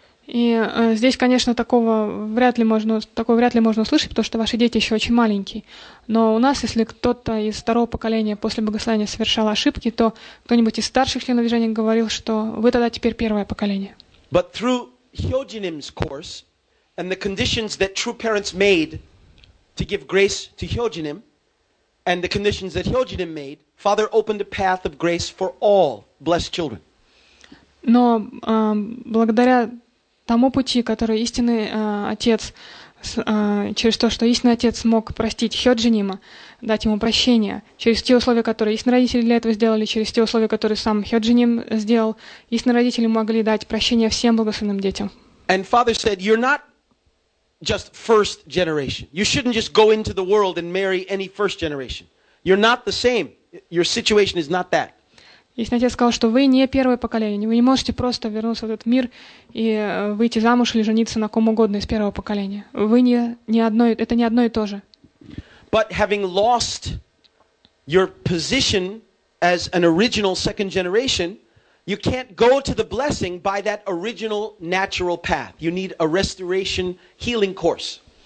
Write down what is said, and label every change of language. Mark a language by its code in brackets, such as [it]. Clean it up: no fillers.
[ru] И здесь, конечно, такого вряд ли можно услышать, потому что ваши дети еще очень маленькие. Но у нас, если кто-то из второго поколения после богослужения совершал ошибки, то кто-нибудь из старших членов движения говорил, что вы тогда теперь первое поколение. [en] But through Hyojinim's course and the conditions that true parents made to give grace to Hyojinim and the conditions that Hyojinim made, Father opened a path of grace for all blessed children. [ru] Но благодаря тому пути, который истинный отец, через то, что истинный отец смог простить Хёджинима, дать ему прощение, через те условия, которые истинные родители для этого сделали, через те условия, которые сам Хёджиним сделал, истинные родители могли дать прощение всем благословенным детям. [en] And Father said, you're not just first generation. You shouldn't just go into the world and marry any first generation. You're not the same. Your situation is not that. [ru] Истинный отец сказал, что вы не первое поколение, вы не можете просто вернуться в этот мир и выйти замуж или жениться на ком угодно из первого поколения. Вы не одно и то же. [en] But having lost your position as an original second generation, you can't go to the blessing by that original natural path. You need a restoration healing course.